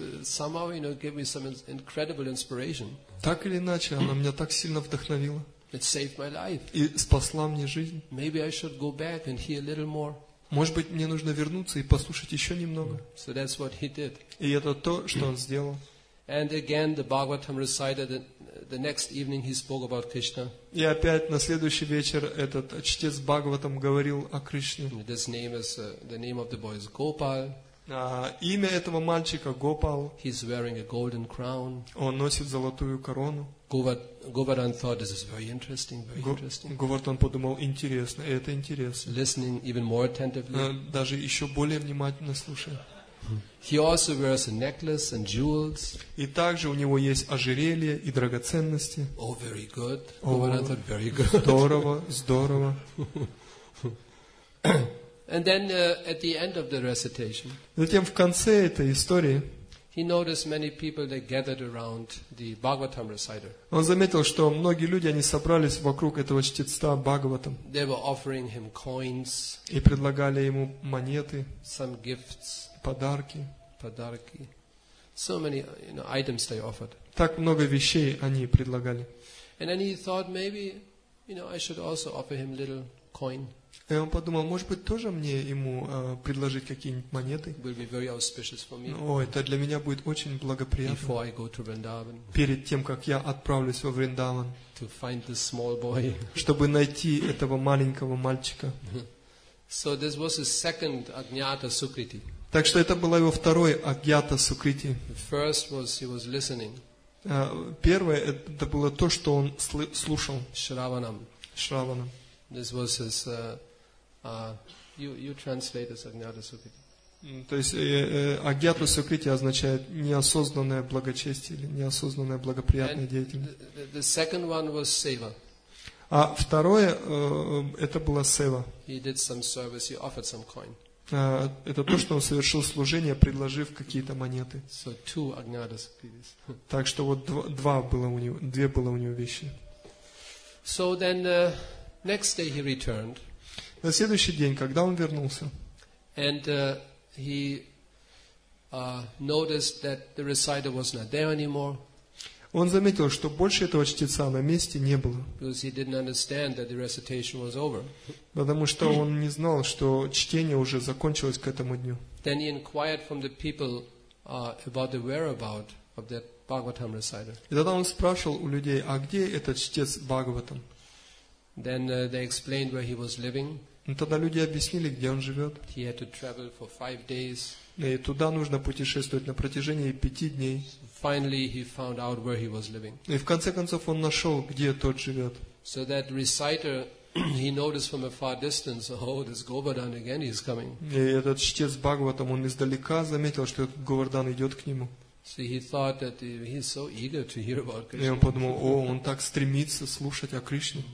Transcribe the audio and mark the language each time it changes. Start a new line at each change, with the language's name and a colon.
English: Somehow, you know, gave me some incredible inspiration.
Russian: Так или иначе, она меня так сильно вдохновила.
English: It saved my life.
Russian: И спасла мне жизнь.
English: Maybe I should go back and hear a little more.
Russian: Может быть, мне нужно вернуться и послушать еще немного.
English: So that's what he did.
Russian: И это то, что он сделал.
English: And again, the Bhagavatam recited the next evening he spoke about Krishna.
Russian: И опять на следующий вечер этот чтец Бхагаватам говорил о Кришне.
English: This name is the name of the boy is Gopal.
Russian: Имя этого мальчика Гопал.
English: He's wearing a golden crown.
Russian: Он носит золотую корону.
English: Govardhan thought this is very interesting, very interesting.
Russian: Говардхан подумал, интересно, это интересно.
English: Listening even more attentively.
Russian: Даже еще более внимательно слушая.
English: He also wears a necklace and jewels.
Russian: И также у него есть ожерелье и драгоценности.
English: Oh, very good. Govardhan thought very good.
Russian: Здорово, здорово.
English: And then at the end of the recitation.
Russian: Затем в конце этой истории.
English: He noticed many people that gathered around the Bhagavatam reciter.
Russian: Он заметил, что многие люди они собрались вокруг этого чтеца Бхагаватам.
English: They were offering him coins.
Russian: И предлагали ему монеты.
English: Some gifts.
Russian: Подарки. Подарки.
English: So many, you know, items they offered.
Russian: Так много вещей они предлагали.
English: And then he thought maybe, you know, I should also offer him little coin.
Russian: И он подумал, может быть, тоже мне ему предложить какие-нибудь монеты?
English: Will be very auspicious for me.
Russian: О, это для меня будет очень благоприятно.
English: Before I go to Vrindavan.
Russian: Перед тем, как я отправлюсь во Вриндаван.
English: To find this small boy.
Russian: Чтобы найти этого маленького мальчика.
English: So this was his second Agnyata Sukriti.
Russian: Так что это было его второе Агьята Сукрити.
English: First was he was listening.
Russian: Первое это было то, что он слушал. Шраванам. Шраванам.
English: This was his. You translate as Agnyata Sukriti.
Russian: То есть Агьята Сукрити означает неосознанное благочестие или неосознанное благоприятное деятельность.
English: The second one was Seva.
Russian: А второе это была Сева.
English: He did some service. He offered some coin.
Russian: Это то, что он совершил служение, предложив какие-то монеты.
English: So two Agnyata Sukritis.
Russian: Так что вот два было у него, две было у него вещи.
English: So then. Next day he returned.
Russian: На следующий день, когда он вернулся,
English: and he noticed that the reciter was not there anymore.
Russian: Он заметил, что больше этого чтеца на месте не было.
English: Because he didn't understand that the recitation was over.
Russian: Потому что он не знал, что чтение уже закончилось к этому дню.
English: Then he inquired from the people about the whereabout of that Bhagavatam reciter.
Russian: И тогда он спрашивал у людей, а где этот чтец Бхагаватам?
English: Then they explained where he was living.
Russian: Тогда люди объяснили, где он живет.
English: He had to travel for 5 days.
Russian: И туда нужно путешествовать на протяжении 5 дней.
English: Finally, he found out where he was living.
Russian: И в конце концов он нашел, где тот живет.
English: So that reciter, he noticed from a far distance, oh, this Govardhan again, he's coming.
Russian: И этот чтец Бхагаватам он издалека заметил, что этот Говардхан идет к нему.
English: So he thought that he's so eager to hear about Krishna.
Russian: И он подумал, о, он так стремится слушать о Кришне.